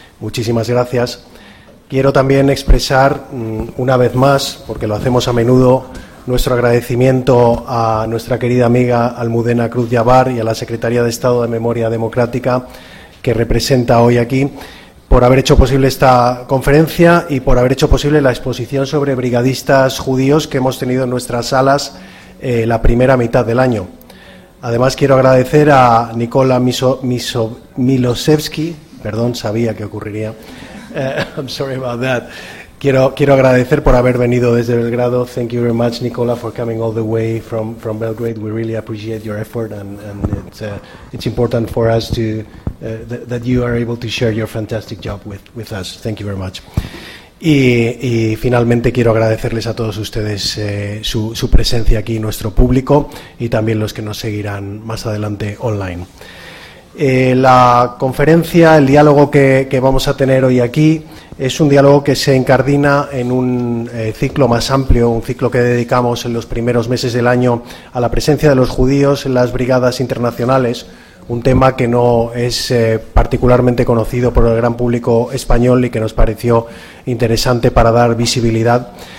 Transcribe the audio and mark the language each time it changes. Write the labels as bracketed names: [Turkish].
[Spanish] Muchísimas gracias. Quiero también expresar, una vez más, porque lo hacemos a menudo, nuestro agradecimiento a nuestra querida amiga Almudena Cruz Yavar y a la Secretaría de Estado de Memoria Democrática, que representa hoy aquí, por haber hecho posible esta conferencia y por haber hecho posible la exposición sobre brigadistas judíos que hemos tenido en nuestras salas la primera mitad del año. Además, quiero agradecer a Nikola Milosevski, perdón, sabía que ocurriría. [English] I'm sorry about that. [Spanish] Quiero agradecer por haber venido desde Belgrado. [English] Thank you very much, Nikola, for coming all the way from Belgrade. We really appreciate your effort, and it's important for us to that you are able to share your fantastic job with us. Thank you very much. [Spanish] Y finalmente quiero agradecerles a todos ustedes su presencia aquí, nuestro público, y también los que nos seguirán más adelante online. La conferencia, el diálogo que vamos a tener hoy aquí, es un diálogo que se incardina en un ciclo más amplio, un ciclo que dedicamos en los primeros meses del año a la presencia de los judíos en las brigadas internacionales, un tema que no es particularmente conocido por el gran público español y que nos pareció interesante para dar visibilidad.